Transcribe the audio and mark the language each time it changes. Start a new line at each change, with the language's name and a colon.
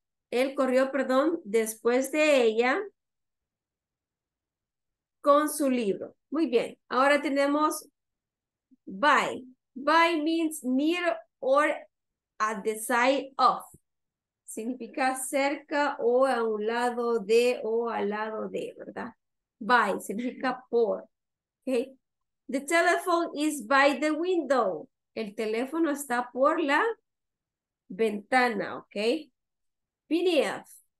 Spanish: Él corrió, después de ella, con su libro. Muy bien, ahora tenemos by.
English: By means near or at the side of.
Spanish: Significa cerca o a un lado de o al lado de, ¿verdad? By significa por, ¿ok?
English: The telephone is by the window.
Spanish: El teléfono está por la ventana, ¿ok? PDF.